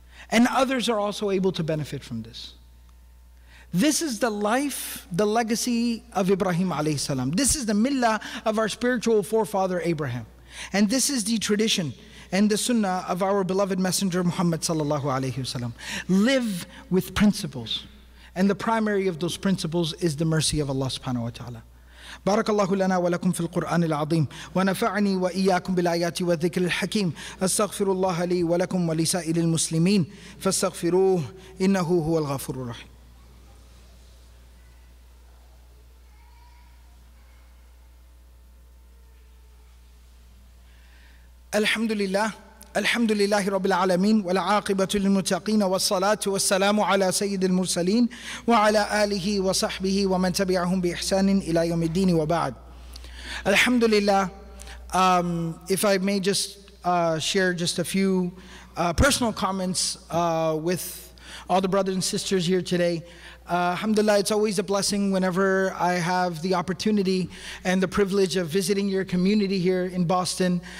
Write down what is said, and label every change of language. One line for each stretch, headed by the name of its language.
English: And others are also able to benefit from this. This is the life, the legacy of Ibrahim alayhi salam. This is the millah of our spiritual forefather Abraham. And this is the tradition and the sunnah of our beloved messenger Muhammad sallallahu alayhi wasallam. Live with principles. And the primary of those principles is the mercy of Allah subhanahu wa ta'ala.
Arabic: بارك الله لنا ولكم في القرآن العظيم ونفعني وإياكم بالآيات والذكر الحكيم أستغفر الله لي ولكم ولسائر المسلمين فاستغفروه إنه هو الغفور الرحيم. الحمد لله الحمد لله رب العالمين والعاقبة للمتقين والصلاة والسلام على سيد المرسلين وعلى آله وصحبه ومن تبعهم بإحسان إلى يوم الدين وبعد الحمد لله.
English: If I may just share just a few personal comments with all the brothers and sisters here today. Alhamdulillah, it's always a blessing whenever I have the opportunity and the privilege of visiting your community here in Boston.